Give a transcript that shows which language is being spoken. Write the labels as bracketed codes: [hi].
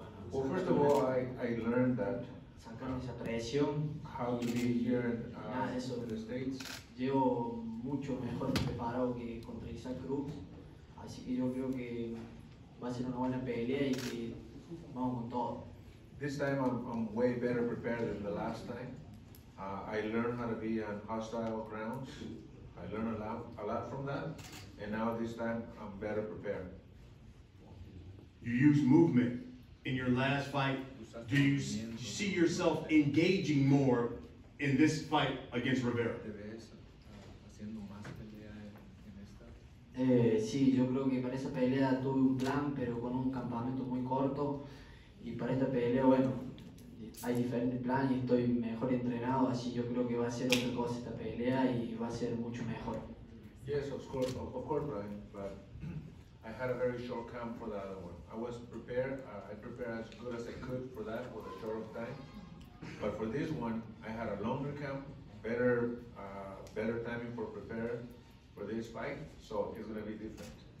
[en] Well, first of all, I learned that [es] esa presión, [en] how to be here in the States. [es] Llevo mucho mejor preparado que contra Isak Cruz. Así que yo creo que va a ser una buena pelea y que vamos con todo. [en] This time I'm way better prepared than the last time. I learned how to be on hostile grounds. I learned a lot from that, and now this time I'm better prepared. You use movement in your last fight. Do you see yourself engaging more in this fight against Rivera? [es] Sí, yo creo que para esa pelea tuve un plan, pero con un campamento muy corto. Y para esta pelea, bueno, hay diferentes planes y estoy mejor entrenado, así yo creo que va a ser otra cosa esta pelea y va a ser mucho mejor. [en] Yes, of course, Brian, but I had a very short camp for the other one. I was prepared, I prepared as good as I could for that with a short of time. But for this one, I had a longer camp, better timing for preparing for this fight, so it's going to be different.